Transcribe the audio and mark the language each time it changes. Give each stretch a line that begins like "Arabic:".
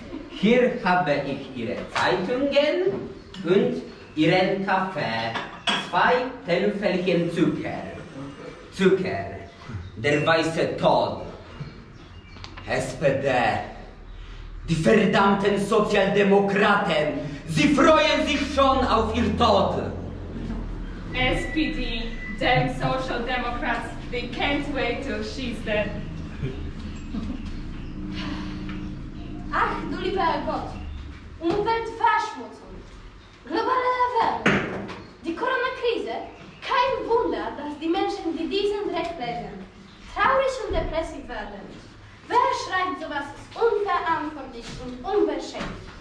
German: Hier habe ich Ihre Zeitungen und Ihren Kaffee. 2 Tellerfällchen Zucker. Zucker, der weiße Tod. SPD, die verdammten Sozialdemokraten, sie freuen sich schon auf ihr Tod.
English: SPD, damn Social Democrats, they can't wait till she's dead.
German: Ach, du lieber Gott, Umweltverschmutzung, globale Erwärmung, die Corona-Krise, kein Wunder, dass die Menschen, die diesen Dreck leben, traurig und depressiv werden. Wer schreibt sowas, ist unverantwortlich und unbeschämt.